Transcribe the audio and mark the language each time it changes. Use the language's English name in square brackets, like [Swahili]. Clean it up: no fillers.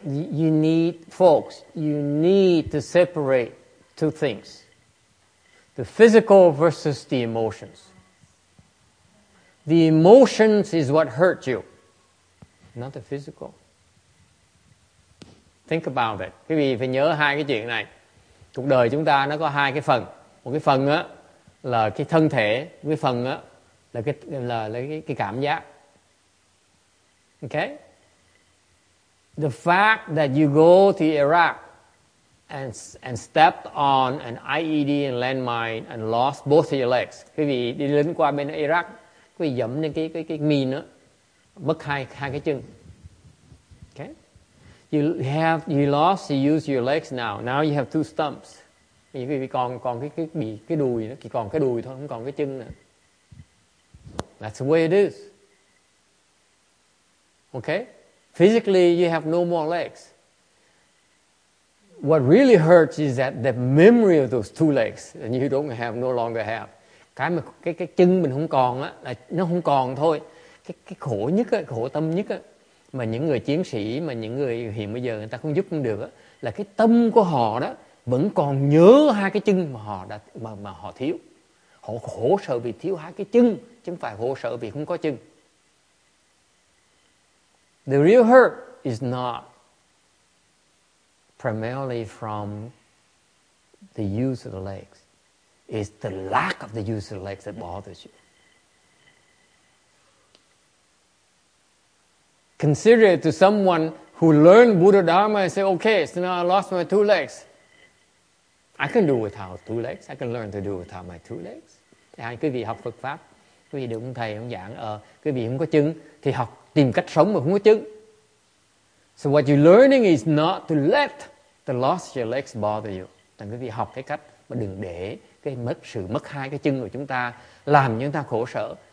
[English] You need to separate two things. The physical versus the emotions. The emotions is what hurt you, not the physical. Think about it. [Vietnamese] Quý vị phải nhớ hai cái chuyện này. Cuộc đời chúng ta nó có hai cái phần. Một cái phần á là cái thân thể, một cái phần á là cái cảm giác. [English] Okay? The fact that you go to Iraq and stepped on an IED and landmine and lost both of your legs. [Vietnamese] Quý vị đi lên qua bên Iraq, quý vị dẫm lên cái mine đó, mất hai cái chân. [English] Okay? You lost the use of your legs now. Now you have two stumps. [Vietnamese] Quý vị còn cái đùi nó, chỉ còn cái đùi thôi, không còn cái chân nữa. [English] That's the way it is. Okay? Physically, you have no more legs. What really hurts is that the memory of those two legs that you don't have, no longer have. [Vietnamese] Cái chân mình không còn á, là nó không còn thôi. cái khổ nhất á, khổ tâm nhất á, mà những người chiến sĩ, mà những người hiện bây giờ người ta không giúp cũng được á, là cái tâm của họ đó vẫn còn nhớ hai cái chân mà họ đã mà họ thiếu. Họ khổ sợ vì thiếu hai cái chân, chứ không phải khổ sợ vì không có chân. [English] The real hurt is not primarily from the use of the legs. It's the lack of the use of the legs that bothers you. Consider it to someone who learned Buddha Dharma and say, okay, so now I lost my two legs. I can do without two legs. I can learn to do without my two legs. [Vietnamese] Hai quý vị học Phật Pháp, quý vị được ông thầy ông giảng, quý vị không có chân thì học tìm cách sống mà không có chân. [English] So what you're learning is not to let the loss of your legs bother you. [Vietnamese] Thì quý vị học cái cách mà đừng để cái mất sự mất hai cái chân của chúng ta làm chúng ta khổ sở.